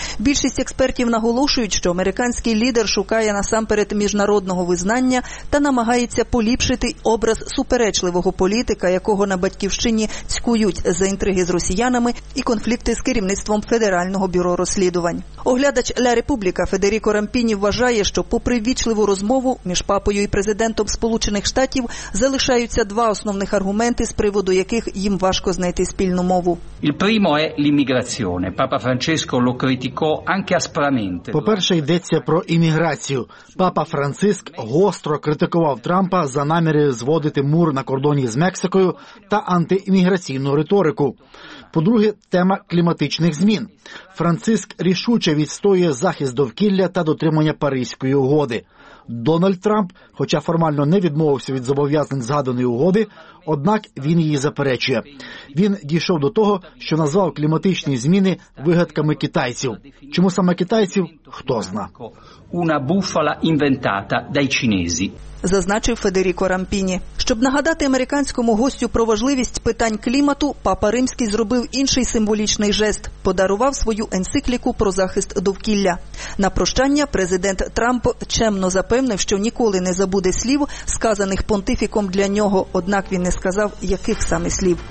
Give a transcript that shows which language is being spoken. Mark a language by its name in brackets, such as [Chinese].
[Ukrainian] Більшість експертів наголошують, що американський лідер шукає насамперед міжнародного визнання та намагається поліпшити образ суперечливого політика, якого на батьківщині цькують за інтриги з росіянами і конфлікти з керівництвом Федерального бюро розслідувань. Оглядач «Ля Република» Федеріко Рампіні вважає, що попри ввічливу розмову між папою і президентом Сполучених Штатів залишаються два основних аргументи, з приводу яких їм важко знайти спільну мову. [Italian] Il primo è l'immigrazione. Papa Francesco lo criticò anche aspramente. [Ukrainian] По-перше, йдеться про імміграцію. Папа Франциск гостро критикував Трампа за наміри зводити мур на кордоні з Мексикою та антиімміграційну риторику. По-друге, тема кліматичних змін. Франциск рішуче відстоює захист довкілля та дотримання Паризької угоди. Дональд Трамп, хоча формально не відмовився від зобов'язань згаданої угоди, однак він її заперечує. Він дійшов до того, що назвав кліматичні зміни вигадками китайців. Чому саме китайців, хто знає. [Italian] Una bufala inventata dai cinesi. [Ukrainian] Зазначив Федеріко Рампіні. Щоб нагадати американському гостю про важливість питань клімату, Папа Римський зробив інший символічний жест – подарував свою енцикліку про захист довкілля. На прощання президент Трамп чемно запевнив, що ніколи не забуде слів, сказаних понтифіком для нього, однак він не сказав, яких саме слів.